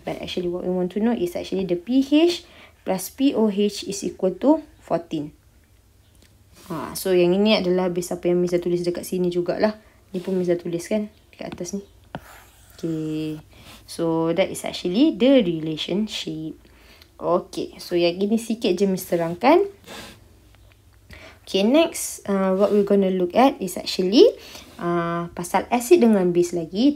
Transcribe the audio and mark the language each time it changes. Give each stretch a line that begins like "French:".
English: But actually what we want to know is actually the pH plus pOH is equal to 14.
Malay: So, yang ini adalah base apa yang Miss dah tulis dekat sini jugalah. Ni pun Miss dah tulis kan dekat atas ni.
English: Okay, so that is actually the relationship. Okay, so
Malay: yang ini sikit je Miss terangkan.
English: Okay, next what we're going to look at is actually
Malay: pasal acid dengan base lagi.